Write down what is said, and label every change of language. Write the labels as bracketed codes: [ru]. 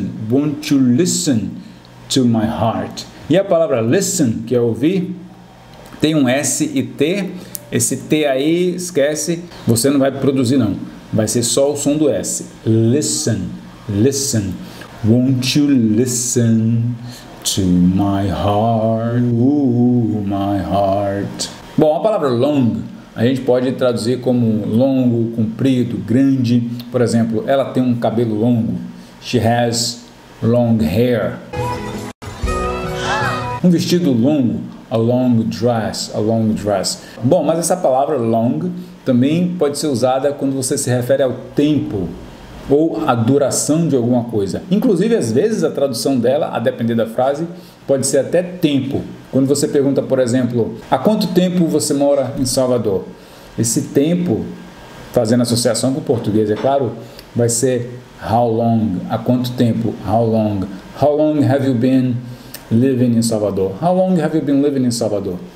[en] Won't you listen? To my heart. [pt] E a palavra listen, que é ouvir, tem um S e T. Esse T aí, esquece, você não vai produzir não. Vai ser só o som do S. Listen. [en] Won't you listen to my heart? Ooh, my heart. [pt] Bom, a palavra long, a gente pode traduzir como longo, comprido, grande. Por exemplo, ela tem um cabelo longo. [en] She has long hair. [pt] Um vestido longo, [en] a long dress. [pt] Bom, mas essa palavra long também pode ser usada quando você se refere ao tempo ou à duração de alguma coisa. Inclusive, às vezes, a tradução dela, a depender da frase, pode ser até tempo. Quando você pergunta, por exemplo, há quanto tempo você mora em Salvador? Esse tempo, fazendo associação com o português, é claro, vai ser [en] how long, [pt] há quanto tempo, how long. [en] How long have you been living in Salvador? How long have you been living in Salvador?